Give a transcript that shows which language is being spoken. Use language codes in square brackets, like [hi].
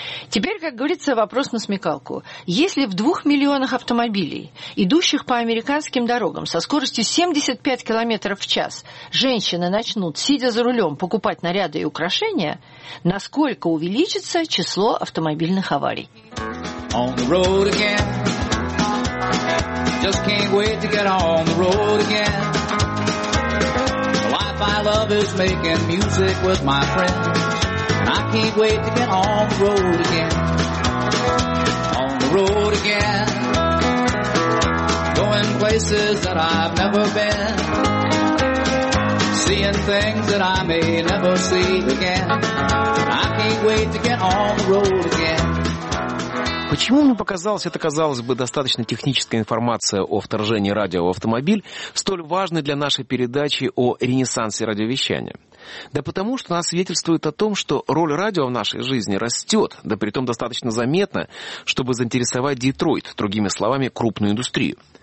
[ru] Теперь, как говорится, вопрос на смекалку. Если в 2 миллионах автомобилей, идущих по американским дорогам со скоростью 75 км в час, женщины начнут, сидя за рулем, покупать наряды и украшения, насколько увеличится число автомобильных аварий? [en] On the road again. Just can't wait to get on the road again. The life I love is making music with my friends. And I can't wait to get on the road again. On the road again. Going places that I've never been. Seeing things that I may never see again. And I can't wait to get on the road again. [ru] Почему мне показалось, это, казалось бы, достаточно техническая информация о вторжении радио в автомобиль, столь важной для нашей передачи о ренессансе радиовещания? Да потому что она свидетельствует о том, что роль радио в нашей жизни растет, да притом достаточно заметно, чтобы заинтересовать Детройт, другими словами, крупную индустрию.